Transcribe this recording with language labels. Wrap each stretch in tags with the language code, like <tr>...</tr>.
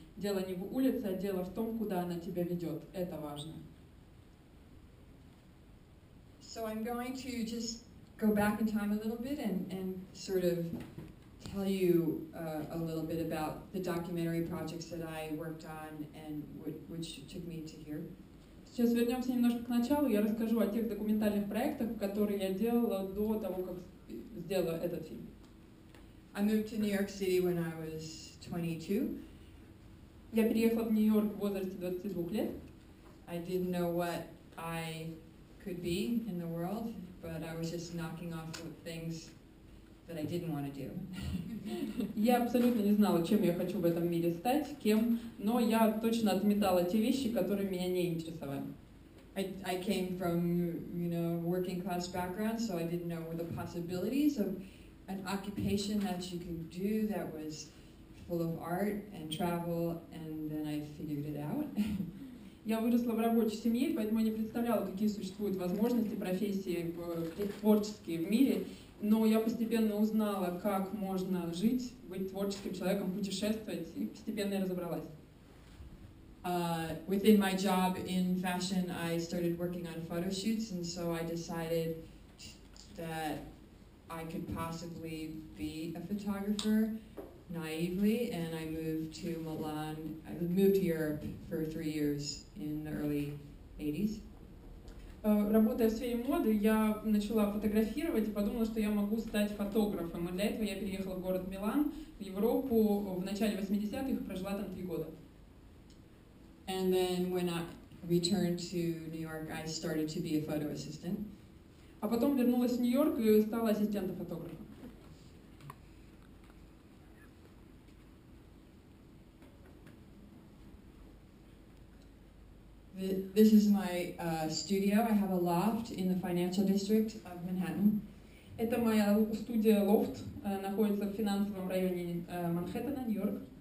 <ru>Дело не в улице, а дело в том, куда она тебя ведет. Это важно.</ru> <en>So I'm going to just go back in time a little bit and sort of tell you a little bit about the documentary projects that I worked on and which took me to here.</en> <ru>Сейчас вернемся немножко к началу. Я расскажу о тех документальных проектах, которые я делала до того, как сделала этот фильм.</ru> <en>I moved to New York City when I was 22.</en> <ru>Я переехала в Нью-Йорк в возрасте 22 лет.</ru> <en>I didn't know what I could be in the world, but I was just knocking off the things that I didn't want to do.</en> <ru>Я абсолютно не знала, чем я хочу в этом мире стать, кем, но я точно отметала те вещи, которые меня не интересовали.</ru> <en>I came from, you know, working class background, so I didn't know the possibilities of an occupation that you could do that was full of art and travel, and then I figured it out.</en> <ru>Я выросла в рабочей семье, поэтому я не представляла, какие существуют возможности профессии творческие в мире, но я постепенно узнала, как можно жить, быть творческим человеком, путешествовать, и постепенно разобралась.</ru> <en>Within my job in fashion, I started working on photo shoots, and so I decided that I could possibly be a photographer, naively, and I moved to Milan. I moved to Europe for 3 years in the early 80s.</en> <ru>Работая в сфере моды, я начала фотографировать и подумала, что я могу стать фотографом. И для этого я переехала в город Милан, в Европу, в начале 80-х, прожила там 3 года.</ru> <en>And then when I returned to New York, I started to be a photo assistant.</en> <ru>А потом вернулась в Нью-Йорк и стала ассистентом фотографа.</ru> <en>This is my studio. I have a loft in the financial district of Manhattan.</en> <ru>Это моя студия лофт, находится в финансовом районе Манхэттена, Нью-Йорк.</ru>